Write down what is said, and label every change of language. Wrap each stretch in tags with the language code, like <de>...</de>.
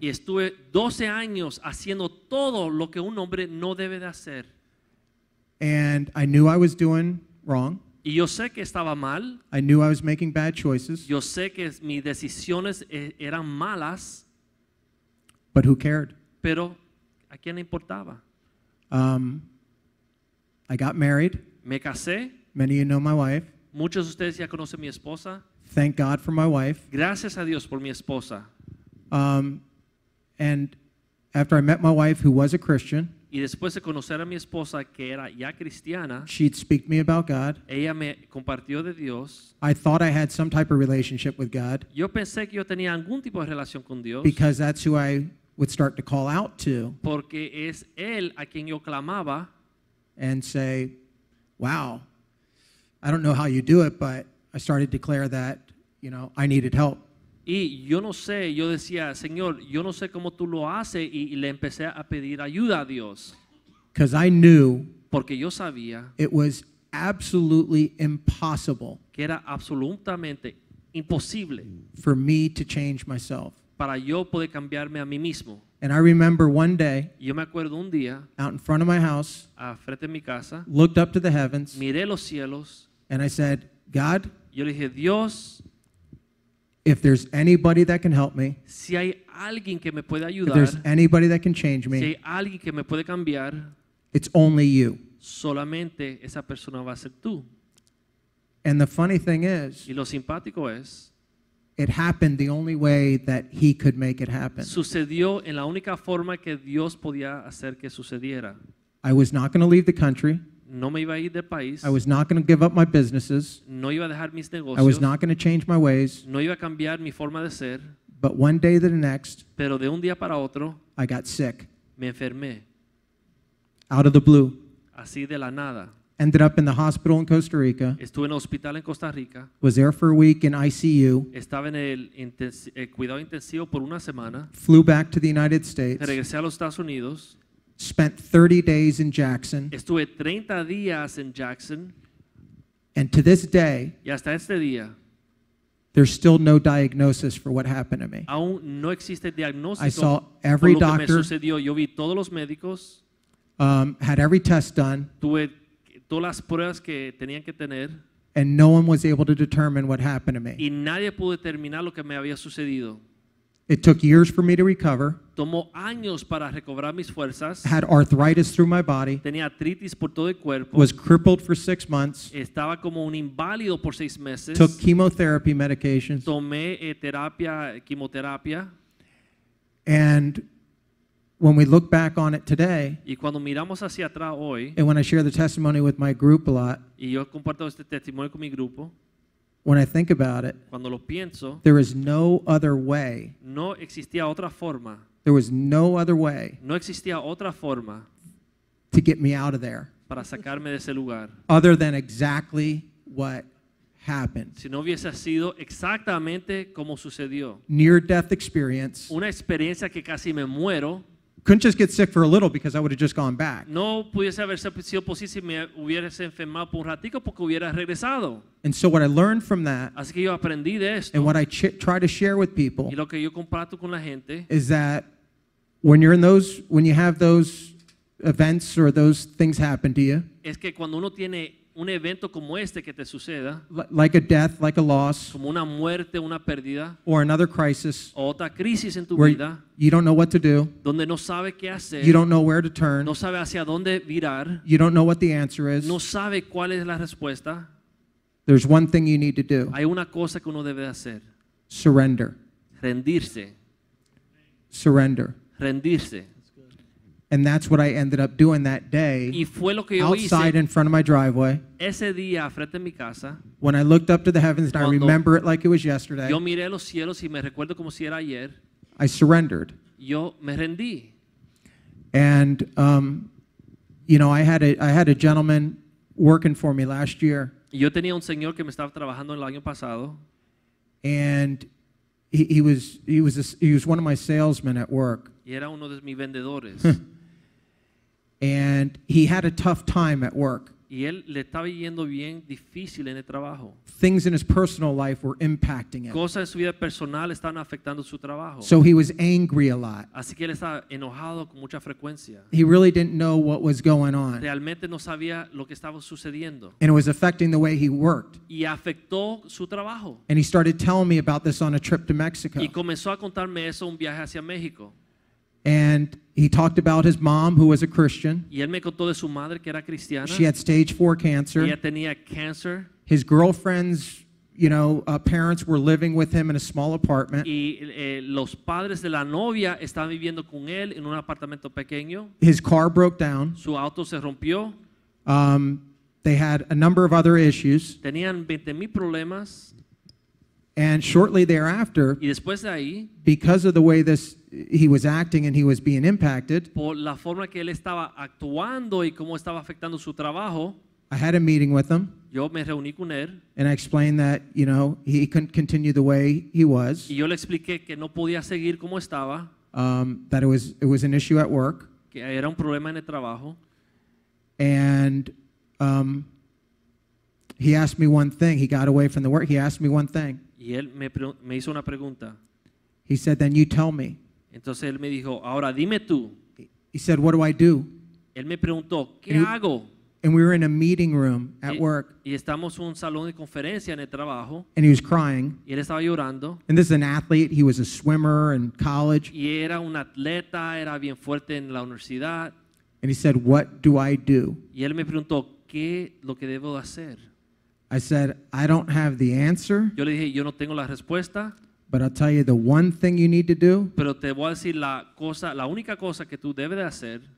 <es>Y estuve 12 años haciendo todo lo que un hombre no debe de hacer.</es> <en>And I knew I was doing wrong.</en> <es>Y yo sé que estaba mal.</es> <en>I knew I was making bad choices.</en> <es>Yo sé que mis decisiones eran malas.</es> <en>But who cared?</en> <es>Pero ¿a quién le importaba?</es> <en>I got married.</en> <es>Me casé.</es> <en>Many of you know my wife.</en> <es>Muchos de ustedes ya conocen mi esposa.</es> <en>Thank God for my wife.</en> <es>Gracias a Dios por mi esposa.</es> <en>And after I met my wife, who was a Christian,</en> <es>y después de conocer a mi esposa que era ya cristiana,</es> <en>she'd speak to me about God.</en> <es>Ella me compartió de Dios.</es> <en>I thought I had some type of relationship with God.</en> <es>Yo pensé que yo tenía algún tipo de relación con Dios.</es> <en>Because that's who I would start to call out to.</en> <es>Porque es él a quien yo clamaba.</es> <en>And say, wow. I don't know how you do it, but I started to declare that, you know, I needed help.</en> <es>Y yo no sé, yo decía, Señor, yo no sé cómo tú lo haces, y le empecé a pedir ayuda a Dios.</es> <en>Because I knew,</en> <es>porque yo sabía,</es> <en>it was absolutely impossible,</en> <es>que era absolutamente imposible,</es> <en>for me to change myself,</en> <es>para yo poder cambiarme a mí mismo.</es> <en>And I remember one day,</en> <es>yo me acuerdo un día,</es> <en>out in front of my house,</en> <es>a frente de mi casa,</es> <en>looked up to the heavens,</en> <es>miré los cielos,</es> <en>and I said, God,</en> <es>yo dije, Dios,</es> <en>if there's anybody that can help me,</en> <es>si hay alguien que me puede ayudar,</es> <en>if there's anybody that can change me,</en> <es>si hay alguien que me puede cambiar,</es> <en>it's only you.</en> <es>Solamente esa persona va a ser tú.</es> <en>And the funny thing is,</en> <es>y lo simpático es,</es> <en>it happened the only way that he could make it happen.</en> <es>Sucedió en la única forma que Dios podía hacer que sucediera.</es> <en>I was not going to leave the country.</en> <es>No me iba a ir del país.</es> <en>I was not going to give up my businesses.</en> <es>No iba a dejar mis negocios.</es> <en>I was not going to change my ways.</en> <es>No iba a cambiar mi forma de ser.</es> <en>But one day to the next,</en> <es>pero de un día para otro,</es> <en>I got sick.</en> <es>Me enfermé.</es> <en>Out of the blue.</en> <es>Así de la nada.</es> <en>Ended up in the hospital in Costa Rica.</en> <es>Estuve en el hospital en Costa Rica.</es> <en>Was there for a week in ICU.</en> <es>Estaba en el cuidado intensivo por una semana.</es> <en>Flew back to the United States.</en> <es>Regresé a los Estados Unidos.</es> <en>Spent 30 days in Jackson.</en> <es>Estuve 30 días en Jackson.</es> <en>And to this day,</en> <es>y hasta este día,</es> <en>there's still no diagnosis for what happened to me.</en> <es>Aún no existe diagnóstico.</es> <en>I saw every doctor.</en> <es>Lo que me sucedió, yo vi todos los médicos.</es> <en>Had every test done.</en> <es>Tuve todas las pruebas que tenían que tener,</es> <en>and no one was able to determine what happened to me.</en> <es>Y nadie pudo determinar lo que me había sucedido.</es> <en>It took years for me to recover.</en> <es>Tomó años para recobrar mis fuerzas.</es> <en>Had arthritis through my body.</en> <es>Tenía artritis por todo el cuerpo.</es> <en>Was crippled for 6 months.</en> <es>Estaba como un inválido por 6 meses.</es> <en>Took chemotherapy medications.</en> <es>Tomé terapia, quimioterapia.</es> <en>And when we look back on it today,</en> <es>y cuando miramos hacia atrás hoy,</es> <en>and when I share the testimony with my group a lot,</en> <es>y yo comparto este testimonio con mi grupo,</es> <en>when I think about it,</en> <es>cuando lo pienso,</es> <en>there is no other way.</en> <es>No existía otra forma.</es> <en>There was no other way.</en> <es>No existía otra forma</es> <en>to get me out of there.</en> <es>Para sacarme de ese lugar.</es> <en>Other than exactly what happened.</en> <es>Si no hubiese sido exactamente como sucedió.</es> <en>Near death experience.</en> <es>Una experiencia que casi me muero.</es> <en>couldn't just get sick for a little because I would have just gone back.</en> <es>No pudiese haberse sido posible si me hubieras enfermado por un ratico porque hubiera regresado.</es> <en>And so what I learned from that,</en> <es>así que yo aprendí de esto,</es> <en>and what I try to share with people,</en> <es>y lo que yo comparto con la gente,</es> <en>is that when you're in those, when you have those events or those things happen to you,</en> <es>es que cuando uno tiene un evento como este que te suceda,</es> <en>like a death, like a loss,</en> <es>como una muerte, una pérdida,</es> <en>or another crisis,</en> <es>o otra crisis en tu</es> <en>where</en> <es>vida,</es> <en>you don't know what to do,</en> <es>donde no sabe qué hacer,</es> <en>you don't know where to turn,</en> <es>no sabe hacia dónde virar,</es> <en>you don't know what the answer is,</en> <es>no sabe cuál es la respuesta,</es> <en>there's one thing you need to do.</en> <es>Hay una cosa que uno debe hacer.</es> <en>Surrender.</en> <es>Rendirse.</es> <en>Surrender.</en> <es>Rendirse.</es> <en>And that's what I ended up doing that day,</en> <es>y fue lo que yo</es> <en>outside</en> <es>hice</es> <en>in front of my driveway.</en> <es>Ese día, frente a mi casa,</es> <en>when I looked up to the heavens and I remember it like it was yesterday,</en> <es>yo miré los cielos y me recuerdo como si era ayer,</es> <en>I surrendered.</en> <es>Yo me rendí.</es> <en>And, you know, I had a gentleman working for me last year.</en> <es>Yo tenía un señor que me estaba trabajando el año pasado.</es> <en>And he was one of my salesmen at work.</en> <es>Y era uno de mis vendedores.</es> <en>And he had a tough time at work.</en> <es>Y él le estaba yendo bien difícil en el trabajo.</es> <en>Things in his personal life were impacting him.</en> <es>Cosas en su vida personal estaban afectando su trabajo.</es> <en>So he was angry a lot.</en> <es>Así que él estaba enojado con mucha frecuencia.</es> <en>He really didn't know what was going on.</en> <es>Realmente no sabía lo que estaba sucediendo.</es> <en>And it was affecting the way he worked.</en> <es>Y afectó su trabajo.</es> <en>And he started telling me about this on a trip to Mexico.</en> <es>Y comenzó a contarme eso un viaje hacia México.</es> <en>And he talked about his mom, who was a Christian.</en> <es>Y él me contó de su madre, que era cristiana.</es> <en>She had stage 4 cancer.</en> <es>Ella tenía cáncer.</es> <en>His girlfriend's, you know, parents were living with him in a small apartment.</en> <es>Y los padres de la novia estaban viviendo con él en un apartamento pequeño.</es> <en>His car broke down.</en> <es>Su auto se rompió.</es> <en>They had a number of other issues.</en> <es>Tenían 20,000 problemas.</es> <en>And shortly thereafter,</en> <es>y después de ahí,</es> <en>because of the way this he was acting and he was being impacted,</en> <es>por la forma que él estaba actuando y cómo estaba afectando su trabajo,</es> <en>I had a meeting with him.</en> <es>Yo me reuní con él,</es> <en>and I explained that, you know, he couldn't continue the way he was.</en> <es>Y yo le expliqué que no podía seguir como estaba.</es> <en>That it was an issue at work.</en> <es>Que era un problema en el trabajo.</es> <en>And he asked me one thing. He got away from the work. He asked me one thing.</en> <es>Y él me hizo una pregunta.</es> <en>He said, then you tell me.</en> <es>Entonces él me dijo, ahora dime tú.</es> <en>He said, what do I do?</en> <es>Él me preguntó, ¿qué and hago?</es> <en>And we were in a meeting room at work.</en> <es>Y estamos en un salón de conferencia en el trabajo.</es> <en>And he was crying.</en> <es>Y él estaba llorando.</es> <en>And this is an athlete. He was a swimmer in college.</en> <es>Y era un atleta, era bien fuerte en la universidad.</es> <en>And he said, what do I do?</en> <es>Y él me preguntó, ¿qué lo que debo hacer?</es> <en>I said, I don't have the answer.</en> <es>Yo le dije, yo no tengo la respuesta.</es> <en>But I'll tell you the one thing you need to do.</en> <es>Pero te voy a decir la cosa, la única cosa que tú debes de hacer.</es>